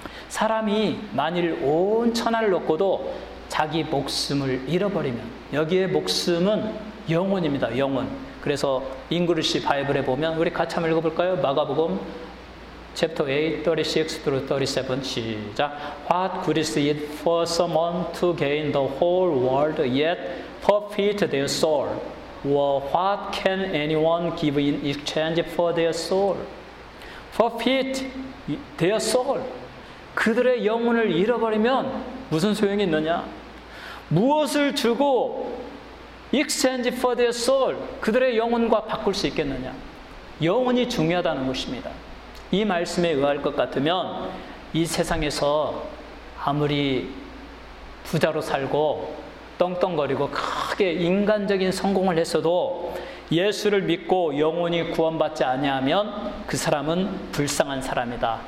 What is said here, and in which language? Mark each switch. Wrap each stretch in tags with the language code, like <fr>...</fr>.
<ko>사람이 만일 온 천하를 얻고도 자기 목숨을 잃어버리면, 여기에 목숨은 영혼입니다. 영혼. 그래서 잉글리시 바이블에 보면 우리 같이 한번 읽어볼까요? 마가복음 챕터 8, 36 through 37 시작.</ko> <en>What good is it for someone to gain the whole world yet forfeit their soul? Or what can anyone give in exchange for their soul? Forfeit their soul.</en> <ko>그들의 영혼을 잃어버리면 무슨 소용이 있느냐? 무엇을 주고</ko> <en>exchange for their soul,</en> <ko>그들의 영혼과 바꿀 수 있겠느냐? 영혼이 중요하다는 것입니다. 이 말씀에 의할 것 같으면 이 세상에서 아무리 부자로 살고 떵떵거리고 크게 인간적인 성공을 했어도 예수를 믿고 영혼이 구원받지 아니하면 그 사람은 불쌍한 사람이다.</ko>